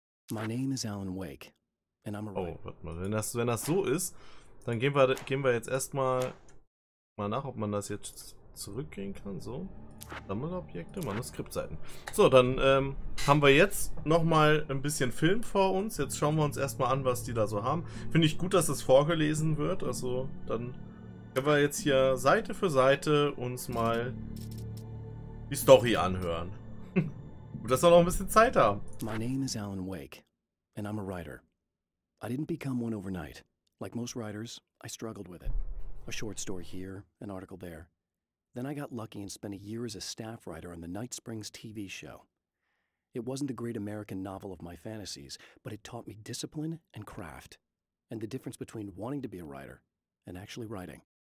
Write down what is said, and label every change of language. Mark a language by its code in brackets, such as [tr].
[en] My name is Alan Wake, and I'm a writer. [de] Oh, warte mal. Wenn das so ist, dann gehen wir jetzt erstmal mal nach, ob man das jetzt zurückgehen kann. So, Sammelobjekte, Manuskriptseiten. So, dann haben wir jetzt nochmal ein bisschen Film vor uns. Jetzt schauen wir uns erstmal an, was die da so haben. Finde ich gut, dass das vorgelesen wird. Also, dann können wir jetzt hier Seite für Seite uns mal die Story anhören. Das soll noch ein bisschen Zeit haben. [en] My name is Alan Wake, and I'm a writer. I didn't become one overnight. Like most writers, I struggled with it. A short story here, an article there. Then I got lucky and spent a year as a staff writer on the Night Springs TV show. It wasn't the great American novel of my fantasies, but it taught me discipline and craft, and the difference between wanting to be a writer and actually writing.